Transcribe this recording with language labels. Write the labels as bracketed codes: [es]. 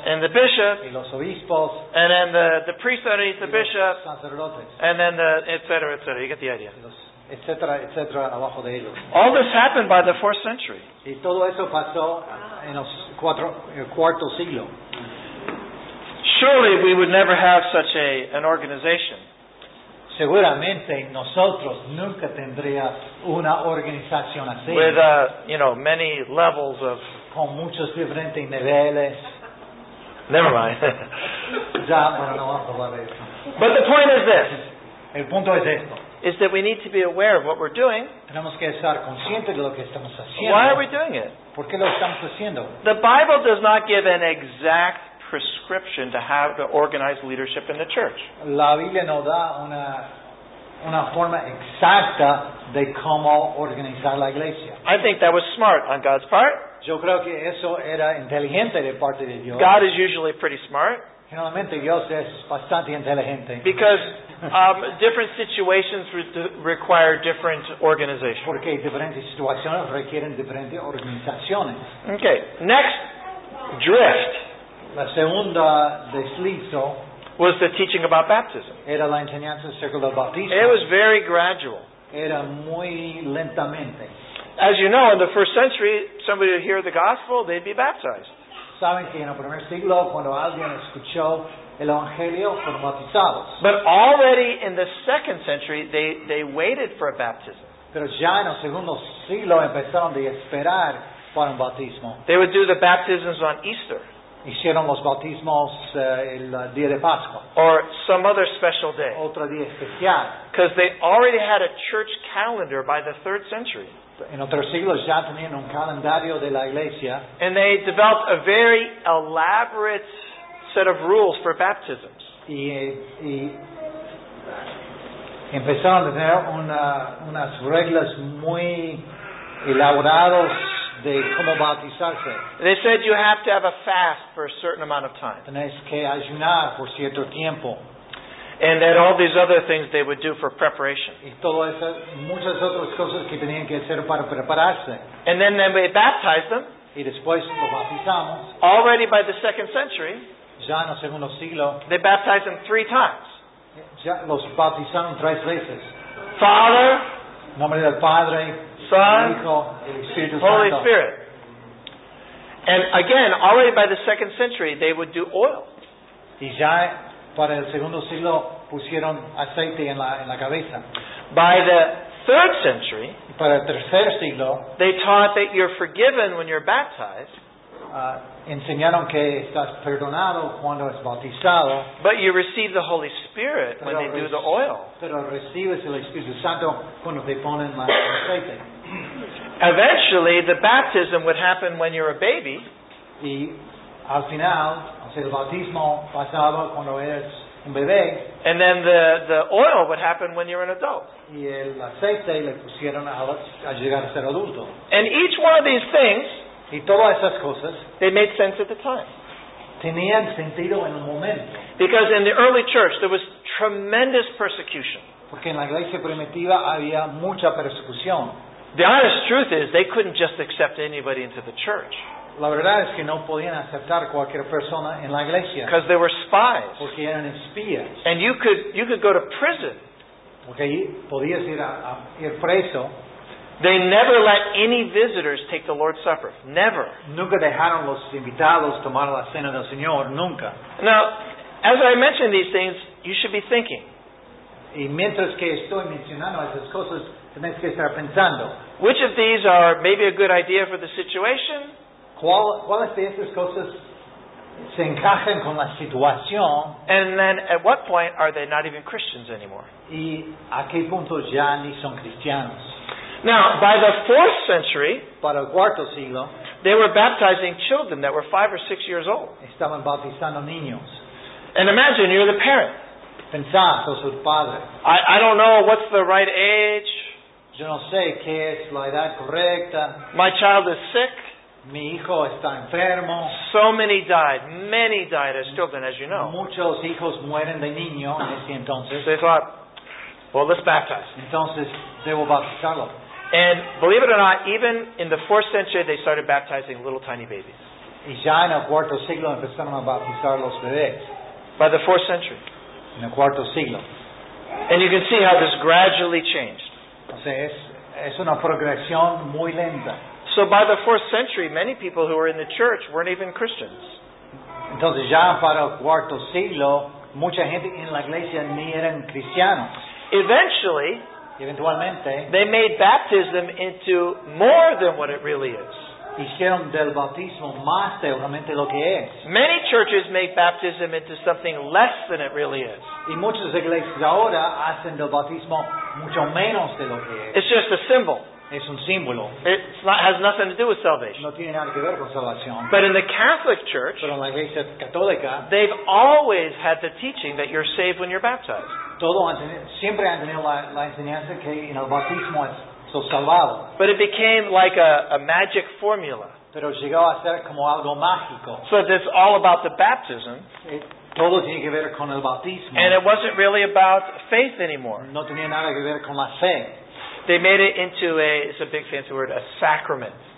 [en] and the Bishop, [es] y los Obispos, [en] and then the priest underneath the [es] y [en] Bishop, [es] los Sacerdotes, [en] and then the et cetera, et cetera. You get the idea. [es] Et cetera, et cetera, abajo de ellos. [en] All this happened by the 4th century. [es] Y todo eso pasó en los cuatro, el cuarto siglo. [en] Surely we would never have such an organization. [es] Seguramente nosotros nunca tendría una organización así. [en] With you know, many levels of... [es] Con muchos diferentes niveles. [en] Never mind. [es] Ya, bueno, no vamos a hablar de eso. [en] But the point is this. [es] El punto es esto. [en] Is that we need to be aware of what we're doing. [es] Tenemos que estar conscientes de lo que estamos haciendo. [en] Why are we doing it? [es] ¿Por qué lo estamos haciendo? [en] The Bible does not give an exact prescription to how to organize leadership in the church. [es] La Biblia no da una forma exacta de cómo organizar la iglesia. [en] I think that was smart on God's part. [es] Yo creo que eso era inteligente de parte de Dios. [en] God is usually pretty smart. [es] Generalmente Dios es bastante inteligente. [en] Because different situations require different organizations. [es] Porque diferentes situaciones requieren diferentes organizaciones. [en] Okay, next, drift. [es] La segunda deslizo [en] was the teaching about baptism. [es] Era la enseñanza acerca del bautismo. [en] It was very gradual. [es] Era muy lentamente. [en] As you know, in the first century, somebody would hear the gospel, they'd be baptized. [es] Saben que en el primer siglo, cuando alguien escuchó el evangelio, fueron bautizados. [en] But already in the second century, they waited for a baptism. [es] Pero ya en el segundo siglo empezaron a esperar para un bautismo. [en] They would do the baptisms on Easter. [es] Hicieron los bautismos el día de Pascua. [en] Or some other special day. [es] Otro día especial. [en] Because they already had a church calendar by the third century. [es] En el tercer siglo ya tenían un calendario de la iglesia. [en] And they developed a very elaborate set of rules for baptisms. [es] Y empezaron a tener unas reglas muy elaboradas de cómo bautizarse. [en] They said you have to have a fast for a certain amount of time. [es] Tenés que ayunar por cierto tiempo. [en] And that all these other things they would do for preparation. [es] Y todas esas muchas otras cosas que tenían que hacer para prepararse. [en] And then they baptized them. [es] Y después lo bautizamos. [en] Already by the second century. [es] Ya en el segundo siglo. [en] They baptized them three times. [es] Ya los bautizaron tres veces. [en] Father. [es] En nombre del Padre. [en] Son. [es] El Hijo, el Espíritu [en] Holy [es] Santo. [en] Spirit. And again, already by the second century, they would do oil. [es] Y ya para el segundo siglo pusieron aceite en la cabeza. [en] By the third century, [es] para el tercer siglo, [en] they taught that you're forgiven when you're baptized. [es] Enseñaron que estás perdonado cuando es bautizado. [en] But you receive the Holy Spirit when they do the oil. [es] Pero recibes el Espíritu Santo cuando te ponen la aceite. [en] Eventually, the baptism would happen when you're a baby. [es] Y al final, el bautismo pasaba cuando eres un bebé. [en] And then the oil would happen when you're an adult. [es] Y el aceite le pusieron a llegar a ser adulto. [en] And each one of these things, [es] y todas esas cosas, [en] they made sense at the time. [es] Tenían sentido en el momento. [en] Because in the early church, there was tremendous persecution. [es] Porque en la iglesia primitiva había mucha persecución. [en] The honest truth is, they couldn't just accept anybody into the church. [es] La verdad es que no podían aceptar cualquier persona en la iglesia. [en] Because they were spies. [es] Porque eran espías. [en] And you could go to prison. [es] Porque podías ir preso. [en] They never let any visitors take the Lord's Supper. Never. [es] Nunca dejaron los invitados tomar la cena del Señor. Nunca. [en] Now, as I mention these things, you should be thinking. [es] Y mientras que estoy mencionando esas cosas, tenés que estar pensando. [en] Which of these are maybe a good idea for the situation? [es] ¿Cuáles de esas cosas se encajan con la situación? [en] And then, at what point are they not even Christians anymore? [es] ¿Y a qué punto ya ni son cristianos? [en] Now, by the 4th century, [es] para el cuarto siglo, [en] they were baptizing children that were 5 or 6 years old. [es] Estaban bautizando niños. [en] And imagine, you're the parent. [es] Pensá, sos el padre. [en] I don't know what's the right age. [es] Yo no sé qué es la edad correcta. [en] My child is sick. [es] Mi hijo está enfermo. [en] So many died. Many died as children, as you know. [es] Muchos hijos mueren de niño en ese entonces. [en] So they thought, well, let's baptize. [es] Entonces, debo bautizarlo. [en] And believe it or not, even in the 4th century, they started baptizing little tiny babies. [es] Y ya en el cuarto siglo empezaron a bautizar los bebés. [en] By the 4th century. [es] En el cuarto siglo. [en] And you can see how this gradually changed. [es] O sea, es una progresión muy lenta. [en] So by the 4th century, many people who were in the church weren't even Christians. [es] Entonces ya para el cuarto siglo, mucha gente en la iglesia ni eran cristianos. [en] Eventually, [es] eventualmente, [en] they made baptism into more than what it really is. [es] Hicieron del bautismo más de realmente lo que es. [en] Many churches make baptism into something less than it really is. [es] Y muchas iglesias ahora hacen del bautismo mucho menos de lo que es. [en] It's just a symbol. [es] Es un símbolo. [en] Has nothing to do with salvation. [es] No tiene nada que ver con salvación. [en] But in the Catholic Church, [es] pero en la iglesia católica, [en] they've always had the teaching that you're saved when you're baptized. [es] Siempre han tenido la enseñanza que en el bautismo es salvado. [en] But it became like a magic formula. [es] Pero llegó a ser como algo mágico. [en] So it's all about the baptism. [es] Todo tiene que ver con el bautismo. [en] And it wasn't really about faith anymore. [es] No tenía nada que ver con la fe. [en] They made it into it's a big fancy word, a sacrament.